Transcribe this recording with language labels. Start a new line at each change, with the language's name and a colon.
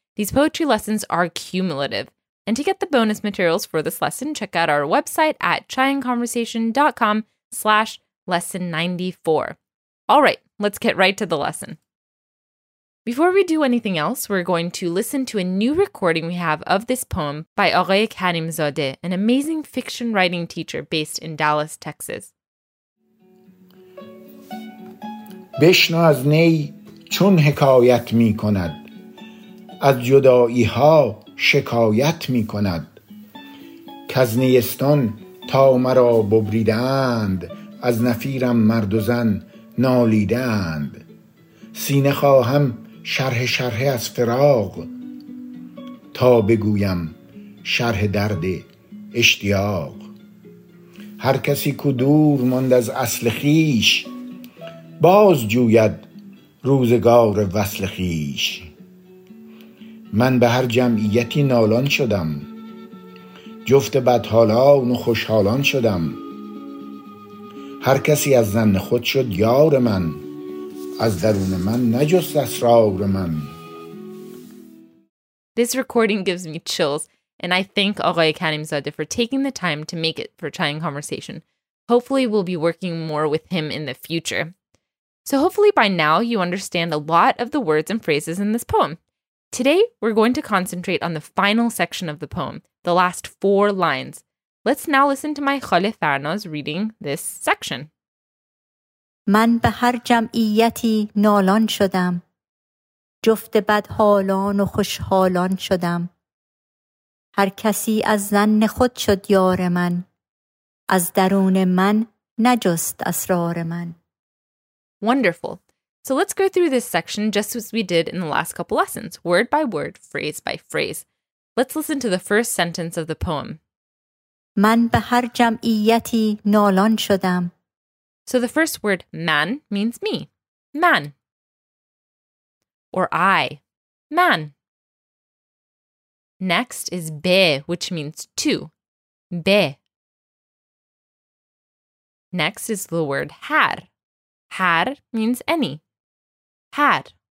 English: These poetry lessons are cumulative. And to get the bonus materials for this lesson, check out our website at chaiandconversation.com/lesson94. All right, let's get right to the lesson. Before we do anything else, we're going to listen to a new recording we have of this poem by Oreh Karimzadeh, an amazing fiction writing teacher based in Dallas, Texas.
Persian: بشنو از نی چون حکایت می کند از جدائی ها شکایت می کند کز نیستان تا مرا ببریدند از نفیرم مرد و زن نالیدند سینه خواهم شرح شرح از فراق تا بگویم شرح درد اشتیاق هر کسی کو دور ماند از اصل خیش باز جوید روزگار وصل خیش من به هر جمعیتی نالان شدم جفت بدحالان و خوشحالان شدم هر کسی از ظن خود شد یار من از درون من نجست اسرار من.
English: This recording gives me chills, and I thank آقای کریمزاده for taking the time to make it for Chai and Conversation. Hopefully we'll be working more with him in the future. So hopefully by now you understand a lot of the words and phrases in this poem. Today we're going to concentrate on the final section of the poem, the last four lines. Let's now listen to my خاله فرناز reading this section.
Persian: من به هر جمعیتی نالان شدم جفت بدحالان و خوشحالان شدم هر کسی از ظن خود شد یار من از درون من نجست اسرار من
English: Wonderful. So let's go through this section just as we did in the last couple lessons, word by word, phrase by phrase. Let's listen to the first sentence of the poem.
Persian: من به هر جمعیتی نالان شدم.
English: So the first word, man, means me, man, or I, man. Next is be, which means to, be. Next is the word har. Har means any, har.